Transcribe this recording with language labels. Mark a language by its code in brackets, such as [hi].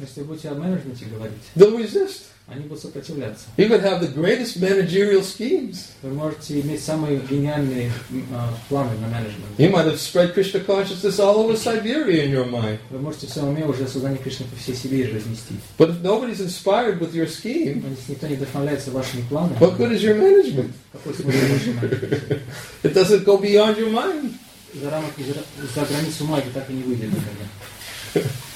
[ru] если будете о менеджменте говорить, [en] they'll resist. [ru] Они будут сопротивляться. [en] You could have the greatest managerial schemes. [ru] Вы можете иметь самые гениальные планы на менеджмент. [en] You might have spread Krishna consciousness all over Siberia in your mind. [ru] Вы можете в своем уме уже сознание Кришны по всей Сибири разнести. [en] But if nobody's inspired with your scheme, [ru] если никто не вдохновляется вашими планами, [en] what good is your management? [ru] Какой смысл менеджмента? [en] It doesn't go beyond your mind. [ru] За границу ума это так и не выйдет никогда.